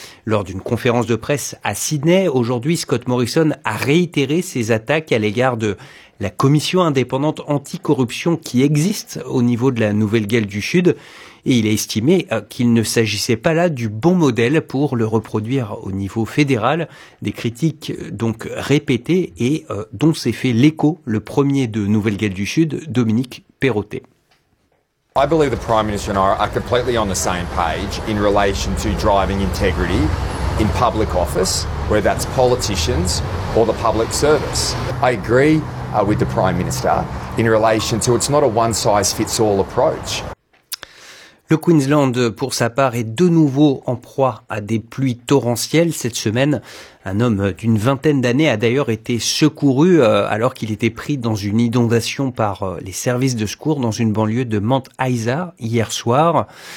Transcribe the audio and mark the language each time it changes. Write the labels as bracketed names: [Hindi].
[French] Lors d'une conférence de presse à Sydney, aujourd'hui Scott Morrison a réitéré ses attaques à l'égard de la commission indépendante anti-corruption qui existe au niveau de la Nouvelle-Galles du Sud. Et il a estimé qu'il ne s'agissait pas là du bon modèle pour le reproduire au niveau fédéral. Des critiques donc répétées et dont s'est fait l'écho le premier de Nouvelle-Galles du Sud, Dominique Perrottet. [English] I believe the Prime Minister and I are completely on the same page in relation to driving integrity in public office, whether that's politicians or the public service. I agree with the Prime Minister in relation to it's not a one-size-fits-all approach. [French] Le Queensland, pour sa part, est de nouveau en proie à des pluies torrentielles cette semaine. Un homme d'une vingtaine d'années a d'ailleurs été secouru alors qu'il était pris dans une inondation par les services de secours dans une banlieue de Mount Isa hier soir.